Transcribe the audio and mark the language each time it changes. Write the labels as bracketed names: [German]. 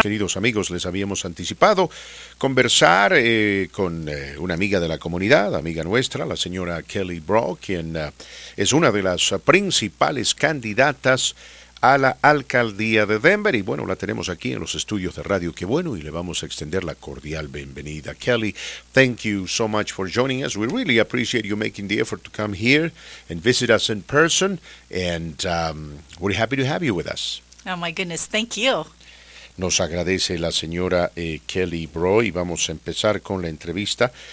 [Spanish] Queridos amigos, les habíamos anticipado conversar con una amiga de la comunidad, amiga nuestra, la señora Kelly Brough, quien es una de las principales candidatas a la alcaldía de Denver. Y bueno, la tenemos aquí en los estudios de Radio Qué Bueno y le vamos a extender la cordial bienvenida. [English] Kelly, thank you so much for joining us. We really appreciate you making the effort to come here and visit us in person. And we're happy to have you with us. Oh my goodness, thank you. [Spanish] Nos agradece la señora Kelly Brough y vamos a empezar con la entrevista.